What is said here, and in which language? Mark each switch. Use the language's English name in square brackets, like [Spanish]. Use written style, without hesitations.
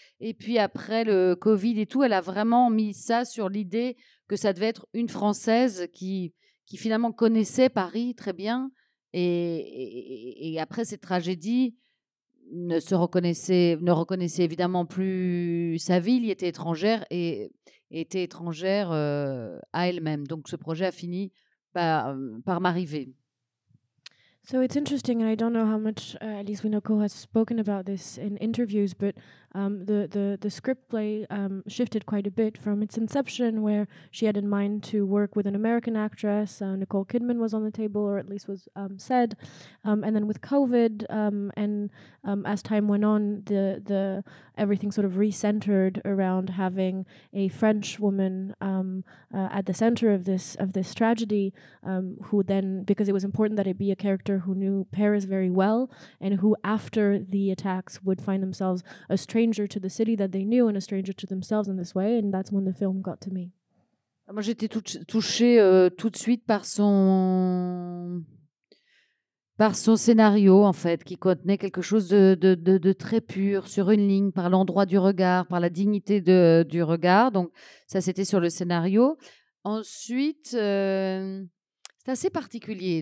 [French] Et puis après le Covid et tout, elle a vraiment mis ça sur l'idée que ça devait être une Française qui finalement connaissait Paris très bien. Et après cette tragédie, ne reconnaissait évidemment plus sa ville. Elle était étrangère et était étrangère à elle-même. Donc ce projet a fini par m'arriver. [English] So it's interesting, and I don't know how much at least Winocour has spoken about this in interviews, but the script play shifted quite a bit from its inception, where she had in mind to work with an American actress. Nicole Kidman was on the table, or at least was said. And then with COVID, as time went on, the everything sort of recentered around having a French woman at the center of this tragedy, who then, because it was important that it be a character who knew Paris very well, and who after the attacks would find themselves a stranger to the city that they knew and a stranger to themselves in this way, and that's when the film got to me. [French] Moi, j'étais touchée tout de suite par son scénario, en fait, qui contenait quelque chose de très pur sur une ligne, par l'endroit du regard, par la dignité du regard. Donc, ça, c'était sur le scénario. Ensuite, c'est assez particulier.